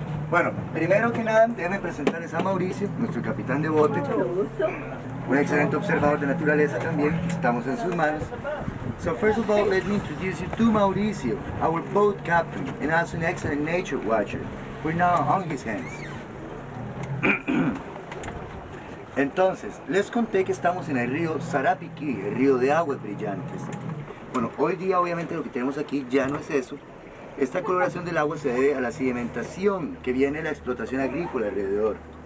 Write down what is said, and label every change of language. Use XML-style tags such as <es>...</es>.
<es>Bueno, primero que nada, déjenme presentarles a Mauricio, nuestro capitán de bote. Un excelente observador de naturaleza también. Estamos en sus manos.</es> <en>So first of all, let me introduce you to Mauricio, our boat captain, and also an excellent nature watcher. We're now on his hands.</en> <es>Entonces, les conté que estamos en el río Sarapiquí, el río de aguas brillantes. Bueno, hoy día obviamente lo que tenemos aquí ya no es eso. Esta coloración del agua se debe a la sedimentación que viene de la explotación agrícola alrededor.</es>